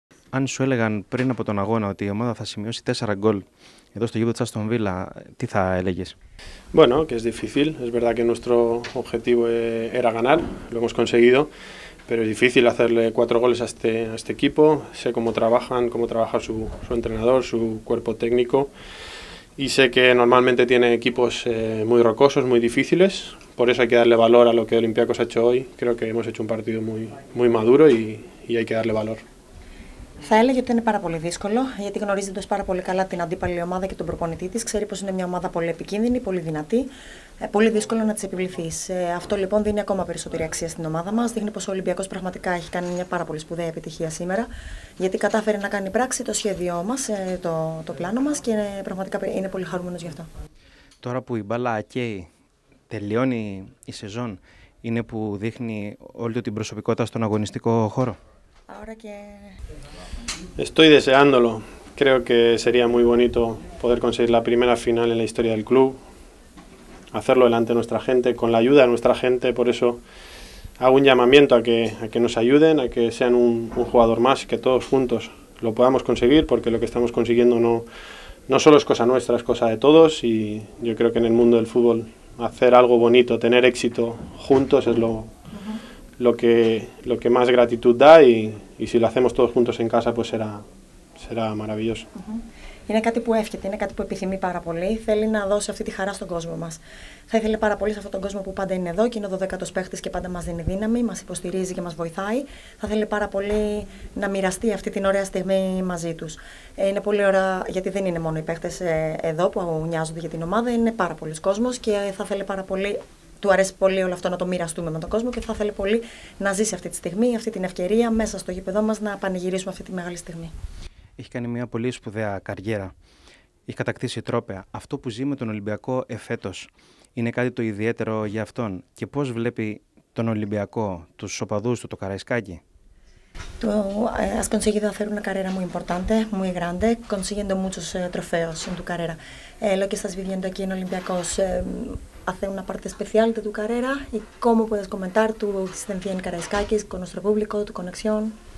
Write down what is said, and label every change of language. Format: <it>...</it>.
<el>αν σου έλεγαν πριν από τον αγώνα ότι η ομάδα θα σημειώσει 4 γκολ εδώ στο γήπεδο της Aston Villa, τι θα έλεγες?</el> <es>Bueno, que es difícil. Es verdad que nuestro objetivo era ganar, lo hemos conseguido, pero es difícil hacerle 4 goles a este equipo. Sé cómo trabaja su entrenador, su cuerpo técnico, y sé que normalmente tiene equipos muy rocosos, muy difíciles. Por eso hay que darle valor a lo que Olympiacos ha hecho hoy. Creo que hemos hecho un partido muy, muy maduro y hay que darle valor.</es> <el>Θα έλεγε ότι είναι πάρα πολύ δύσκολο, γιατί γνωρίζετε πάρα πολύ καλά την αντίπαλη ομάδα και τον προπονητή της. Ξέρει πως είναι μια ομάδα πολύ επικίνδυνη, πολύ δυνατή. Πολύ δύσκολο να τις επιβληθείς. Αυτό λοιπόν δίνει ακόμα περισσότερη αξία στην ομάδα μας. Δείχνει πως ο Ολυμπιακός πραγματικά έχει κάνει μια πάρα πολύ σπουδαία επιτυχία σήμερα. Γιατί κατάφερε να κάνει πράξη το σχέδιό μας, το πλάνο μας, και πραγματικά είναι πολύ χαρούμενος γι' αυτό. Τώρα που η μπάλα καίει, τελειώνει η σεζόν, είναι που δείχνει όλη την προσωπικότητα στον αγωνιστικό χώρο.</el> <es>Ahora que... Estoy deseándolo. Creo que sería muy bonito poder conseguir la primera final en la historia del club. Hacerlo delante de nuestra gente, con la ayuda de nuestra gente. Por eso hago un llamamiento a que nos ayuden, a que sean un jugador más, que todos juntos lo podamos conseguir, porque lo que estamos consiguiendo no solo es cosa nuestra, es cosa de todos. Y yo creo que en el mundo del fútbol hacer algo bonito, tener éxito juntos es lo que más gratitud da, y si lo hacemos todos juntos en casa, pues será maravilloso.</es> <el>Είναι κάτι που εύχεται, είναι κάτι που επιθυμεί πάρα πολύ. Θέλει να δώσει αυτή τη χαρά στον κόσμο μας. Θα ήθελε πάρα πολύ σε αυτόν τον κόσμο που πάντα είναι εδώ και είναι ο 12ος παίχτης και πάντα μας δίνει δύναμη, μας υποστηρίζει και μας βοηθάει. Θα ήθελε πάρα πολύ να μοιραστεί αυτή την ωραία στιγμή μαζί τους. Είναι πολύ ωραία, γιατί δεν είναι μόνο οι παίχτες εδώ που νοιάζονται για την ομάδα, είναι πάρα πολλοί κόσμος και θα ήθελε πάρα πολύ. Του αρέσει πολύ όλο αυτό να το μοιραστούμε με τον κόσμο και θα ήθελε πολύ να ζήσει αυτή τη στιγμή, αυτή την ευκαιρία μέσα στο γήπεδό μας να πανηγυρίσουμε αυτή τη μεγάλη στιγμή. Έχει κάνει μια πολύ σπουδαία καριέρα. Έχει κατακτήσει τρόπαια. Αυτό που ζει με τον Ολυμπιακό εφέτος είναι κάτι το ιδιαίτερο για αυτόν? Και πώς βλέπει τον Ολυμπιακό, τους οπαδούς του, το Καραϊσκάκι?</el> <es>Has conseguido hacer una carrera muy importante, muy grande, consiguiendo muchos trofeos en tu carrera. Lo que estás viviendo aquí en Olympiacos hace una parte especial de tu carrera. ¿Y cómo puedes comentar tu existencia en Karaiskakis con nuestro público, tu conexión?</es>